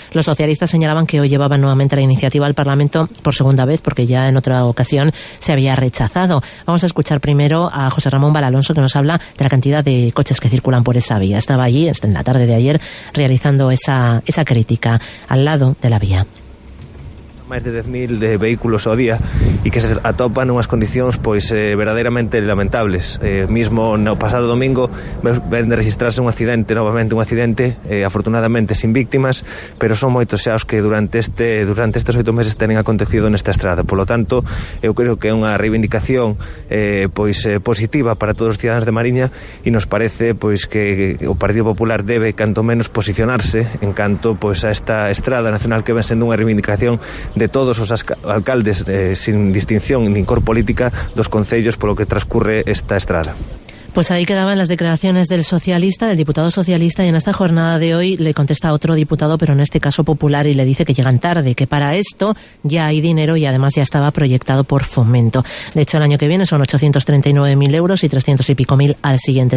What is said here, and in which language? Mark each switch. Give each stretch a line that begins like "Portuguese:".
Spanish: Los socialistas señalaban que hoy llevaban nuevamente la iniciativa al Parlamento por segunda vez, porque ya en otra ocasión se había rechazado. Vamos a escuchar primero a José Ramón Valalonso, que nos habla de la cantidad de coches que circulan por esa vía. Estaba allí en la tarde de ayer realizando esa crítica al lado de la vía.
Galician: máis de 10.000 de vehículos ao día e que se atopan unhas condicións pois verdadeiramente lamentables. Mismo no pasado domingo ven de registrarse un accidente, novamente un accidente, afortunadamente sin víctimas, pero son moitos xa os que durante estes 8 meses tenen acontecido nesta estrada.
Spanish: Por lo tanto,
Galician: eu creo que é unha reivindicación positiva para todos os cidadanos de Mariña e nos parece pois que o Partido Popular debe canto menos posicionarse en canto pois a esta estrada nacional que ven sendo unha reivindicación de todos os alcaldes sin distinción nin cor política dos concellos polo que transcurre esta estrada.
Spanish: Pues ahí quedaban las declaraciones del socialista, del diputado socialista, y en esta jornada de hoy le contesta a otro diputado, pero en este caso popular, y le dice que llegan tarde, que para esto ya hay dinero y además ya estaba proyectado por Fomento. De hecho, el año que viene son 839.000 euros y 300.000 al siguiente.